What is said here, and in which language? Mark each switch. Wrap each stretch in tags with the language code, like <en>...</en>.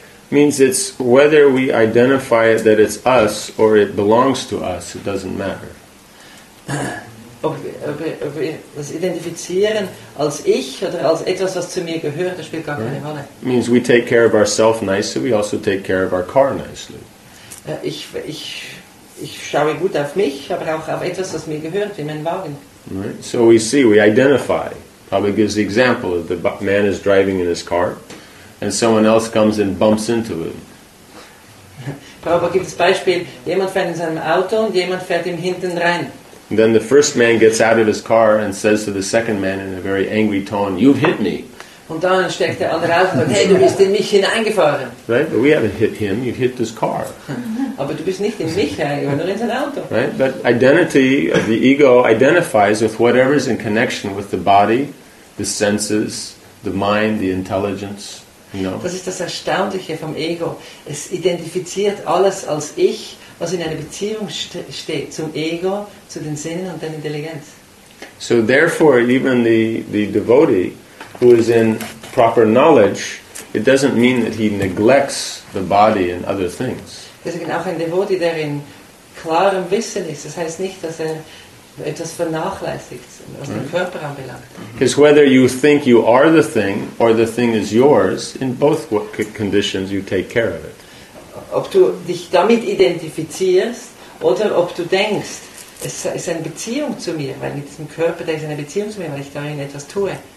<en>means it's whether we identify it that it's us or it belongs to us, it doesn't matter.</en> <de>Ob das Identifizieren als ich oder als etwas, was zu mir gehört, das spielt gar keine Rolle.</de> <en>Means we take care of ourselves nicely, we also take care of our car nicely.</en> <de>Ich schaue gut auf mich, aber auch auf etwas, was mir gehört, wie mein Wagen.</de> <en>Right. So we see, we identify. Probably gives the example of the man is driving in his car and someone else comes and bumps into him.</en> <de>Prabhupada gibt das Beispiel, jemand fährt in seinem Auto und jemand fährt ihm hinten rein.</de> <en>Then the first man gets out of his car and says to the second man in a very angry tone, "You've hit me."</en> <de>Und dann steckt der andere auf und sagt, hey, du bist in mich hineingefahren.</de> <en>Right? But we haven't hit him, you've hit this car.</en> <de>Aber du bist nicht in mich hineingefahren, nur in sein Auto.</de> <en>Right? But identity, the ego, identifies with whatever is in connection with the body, the senses, the mind, the intelligence. You know?</en> <de>Das ist das Erstaunliche vom Ego. Es identifiziert alles als ich, was in einer Beziehung steht, zum Ego, zu den Sinnen und der Intelligenz.</de> <en>So therefore, even the devotee, who is in proper knowledge, it doesn't mean that he neglects the body and other things.</en> <de>Deswegen auch ein Devoti, der in klarem Wissen ist, das heißt nicht, dass er etwas vernachlässigt, was den Körper anbelangt.</de> <en>Because whether you think you are the thing or the thing is yours, in both conditions you take care of it.</en> <de>Ob du dich damit identifizierst oder ob du denkst, es ist eine Beziehung zu mir, weil mit diesem Körper, der ist eine Beziehung zu mir, weil ich darin etwas tue.</de>